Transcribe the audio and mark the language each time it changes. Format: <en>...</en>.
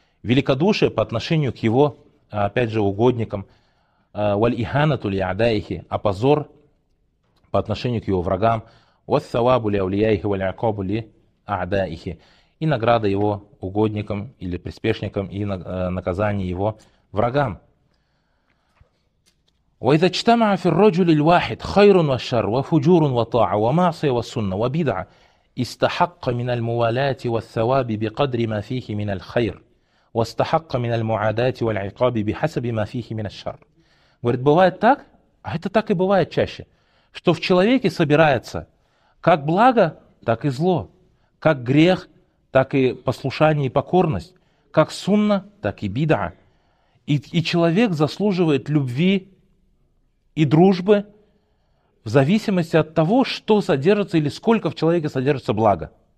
<ru>великодушие по отношению к его, опять же, угодникам,</ru> <ar>валь-иханату ли-адайхи,</ar> <ru>а позор по отношению к его врагам,</ru> <ar>вас-савабу ли-аулияйхи, валь-акабу ли-адайхи,</ar> <ru>и награда его угодникам или приспешникам, и наказание его врагам.</ru> <ar>وإذا اجتمع في الرجل الواحد خير وشر وفجور وطاعة ومعصية وسنة وبدعة استحق من الموالاة والثواب بقدر ما فيه من الخير واستحق من المعاداة والعقاب بحسب ما فيه من الشر.</ar> <ru>Говорит, бывает так, а это так и бывает чаще, что в человеке собирается как благо, так и зло, как грех, так и послушание и покорность, как сунна, так и бидъа. И человек заслуживает любви и дружбы в зависимости от того, что содержится или сколько в человеке содержится блага.</ru>